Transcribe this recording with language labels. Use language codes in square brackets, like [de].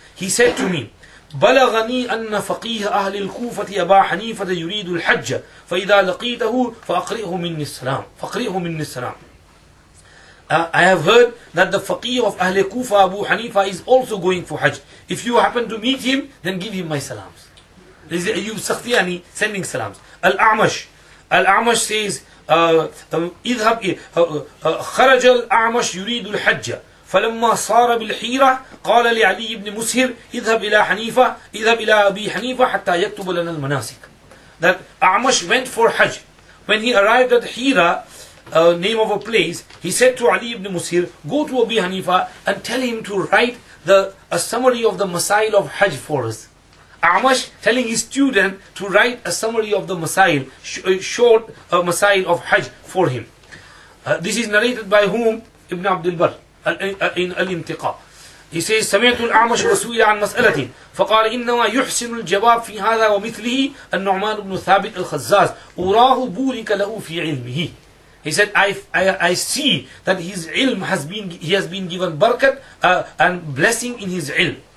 [en] He said to me, [ar] بلغني أن فقيه أهل الكوفة أبا حنيفة يريد الحج فإذا لقيته فأقرئه مني السلام. فأقرئه مني السلام. [en] I have heard that the faqih of Ahle Kufa, Abu Hanifa, is also going for Hajj. If you happen to meet him, then give him my salams. This is Ayyub Sakhtiyani sending salams. Al-A'mash says, [ar] اذهب خرج الأعمش يريد الحج فلما صار بالحيرة قال لعلي بن مسهر اذهب إلى أبي حنيفة حتى يكتب لنا المناسك. [en] That A'mash went for Hajj. When he arrived at Hira, name of a place, he said to Ali ibn Musir, go to Abi Hanifa and tell him to write a summary of the masail of Hajj for us. A'mash telling his student to write a summary of the masail, short masail of Hajj for him. This is narrated by whom? Ibn Abdul Barr in Al-Intiqa. He says, [ar] سمعت الأعمش وسئل عن مسألة فقال إنما يحسن الجواب في هذا ومثله النعمان بن ثابت الخزاز أراه بولك له في علمه. [en] He said, I see that his ilm has been, he has been given barakat and blessing in his ilm.